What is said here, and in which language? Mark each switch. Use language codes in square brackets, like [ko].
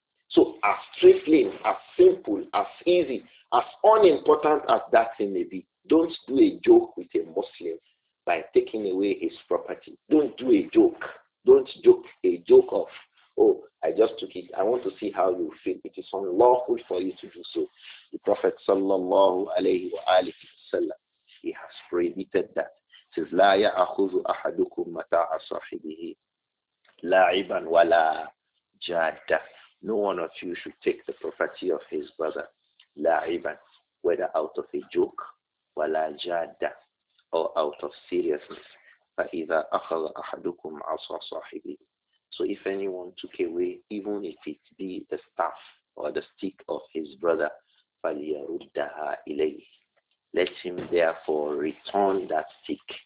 [en] So as trifling, as simple, as easy, as unimportant as that thing may be, don't do a joke with a Muslim by taking away his property. Don't do a joke. Don't joke a joke of oh, I just took it. I want to see how you feel. It is unlawful for you to do so. The Prophet sallallahu alayhi wa alihi wa sallam, he has prohibited that. It says, [ar] لَا يَأَخُذُ أَحَدُكُمْ مَتَاعَ صَحِبِهِ لَاعِبًا وَلَا جَادًا. [en] No one of you should take the property of his brother, [ar] لَاعِبًا, [en] whether out of a joke, [ar] وَلَا جَادًا, [en] or out of seriousness. [ar] فَإِذَا أَخَذَ أَحَدُكُمْ عَصَى صَحِبِهِ. [en] So if anyone took away, even if it be the staff or the stick of his brother, [ar] فَلِيَرُدَّهَا إِلَيْهِ, [en] let him therefore return that stick.